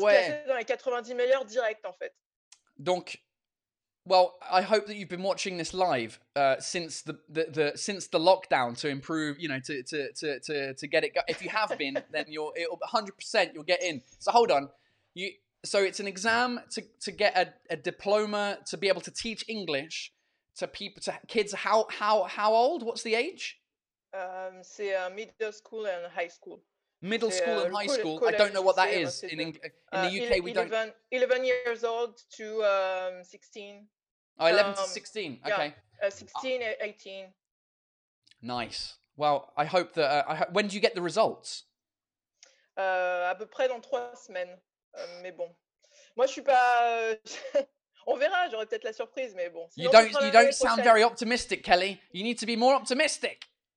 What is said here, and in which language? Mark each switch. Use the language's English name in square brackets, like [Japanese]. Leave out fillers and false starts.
[French] placer dans les 90 meilleurs directs, en fait. [English] Donc, well, I hope that you've been watching this live since the lockdown to improve, you know, to get it going. If you have been, then it'll 100% you'll get in. So hold on, so it's an exam to get a diploma to be able to teach English to people, to kids. How old? What's the age? C'est middle school and high school. Middle school and high school. I don't know what that is in the UK. We don't 11 years old to 16. Oh, 11 to 16. Okay. Yeah, 16, 18. Nice. Well, I hope that. When do you get the results? [French] À peu près dans 3 semaines. Mais bon, moi, je suis pas. On verra. J'aurai peut-être la surprise, mais bon. [English] Sinon, you don't sound very optimistic, Kelly. You need to be more optimistic.